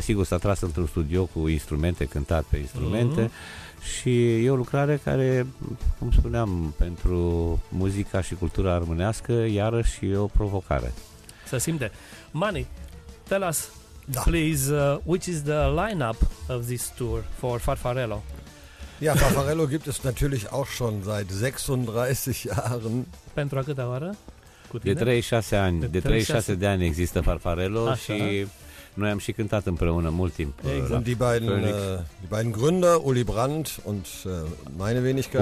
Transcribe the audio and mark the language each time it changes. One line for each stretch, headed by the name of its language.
Romanian: Sigur, s-a tras într-un studio cu instrumente, cântat pe instrumente. Mm-hmm. Și e o lucrare care, cum spuneam, pentru muzica și cultura românească, iarăși e o provocare. Se simte.
English: Mani, tell us, da, please, which is the lineup of this tour for Farfarello?
German: Ja, Farfarello gibt es natürlich auch schon seit 36 Jahren.
Romanian: Pentru a câte oară? De 36 ani. De 36 de ani există Farfarello. Așa, și... Da. Noi am și cântat împreună mult timp. Exact.
German: Und die beiden Gründer, Uli Brandt und meine Wenigkeit.